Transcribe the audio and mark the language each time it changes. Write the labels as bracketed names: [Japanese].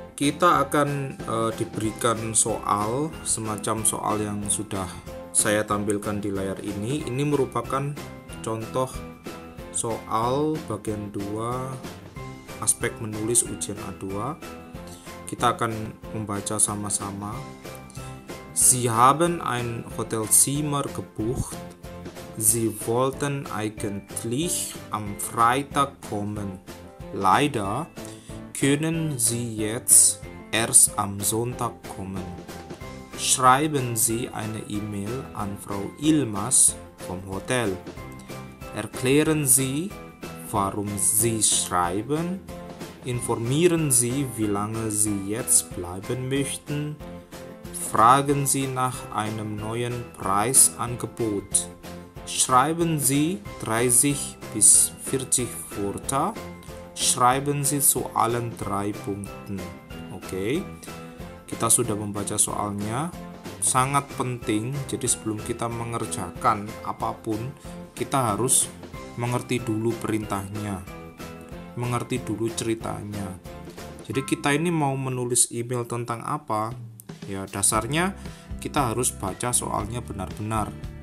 [Indonesian] Kita akan diberikan soal, semacam soal yang sudah saya tampilkan di layar ini. Ini merupakan contoh soal bagian 2 aspek menulis ujian A2. Kita akan membaca sama-sama. [German] Sie haben ein Hotelzimmer gebucht. Sie wollten eigentlich am Freitag kommen. Leider können Sie jetzt erst am Sonntag kommen. Schreiben Sie eine E-Mail an Frau Ilmas vom Hotel. Erklären Sie, warum Sie schreiben. Informieren Sie, wie lange Sie jetzt bleiben möchten. Fragen Sie nach einem neuen Preisangebot. Schreiben Sie 30 bis 40 Wörter. Schreiben Sie zu allen drei Punkten. Okay. [Indonesian] Kita sudah membaca soalnya. Sangat penting, jadi sebelum kita mengerjakan apapun, kita harus mengerti dulu perintahnya, mengerti dulu ceritanya. Jadi kita ini mau menulis email tentang apa? Ya, dasarnya kita harus baca soalnya benar-benar.